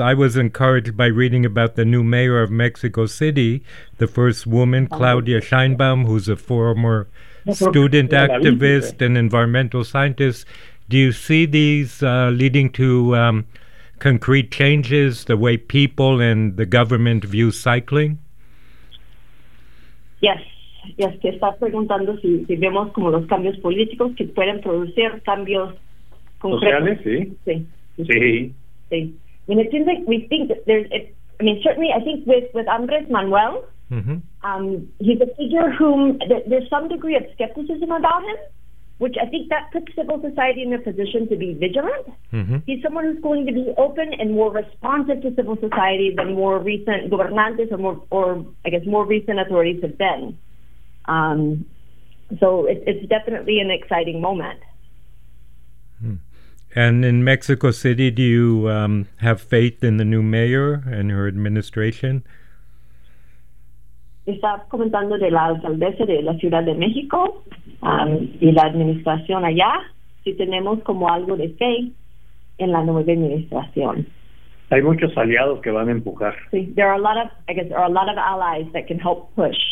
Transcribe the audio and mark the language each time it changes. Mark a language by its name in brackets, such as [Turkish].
[English] I was encouraged by reading about the new mayor of Mexico City, the first woman, Claudia Sheinbaum, who's a former student activist and environmental scientist. Do you see these leading to concrete changes, the way people and the government view cycling? [Spanish] Yes, que está preguntando si vemos como los cambios políticos que pueden producir cambios concretos. Sociales, sí. Sí. [English] I mean, it seems like we think that there's, certainly I think with Andrés Manuel, he's a figure whom there's some degree of skepticism about him, which I think that puts civil society in a position to be vigilant. Mm-hmm. He's someone who's going to be open and more responsive to civil society than more recent gobernantes more recent authorities have been. So it's definitely an exciting moment. And in Mexico City, do you have faith in the new mayor and her administration? [Spanish] Está comentando de la alcaldesa de la Ciudad de México y la administración allá, si tenemos como algo de fe en la nueva administración. Hay muchos aliados que van a empujar. [English] Sí, there are a lot of allies that can help push.